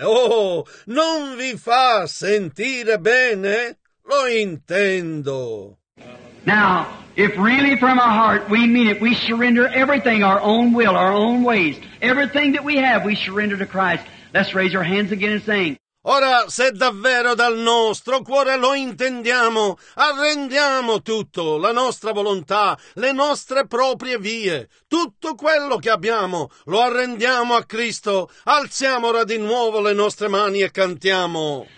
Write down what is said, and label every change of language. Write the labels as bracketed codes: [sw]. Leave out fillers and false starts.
[it] Oh, non vi fa sentire bene? Lo intendo. [en] Now, if really from our heart we mean it, we surrender everything, our own will, our own ways, everything that we have, we surrender to Christ. Let's raise your hands again and sing. [it] Ora, se davvero dal nostro cuore lo intendiamo, arrendiamo tutto, la nostra volontà, le nostre proprie vie, tutto quello che abbiamo, lo arrendiamo a Cristo. Alziamo ora di nuovo le nostre mani e cantiamo.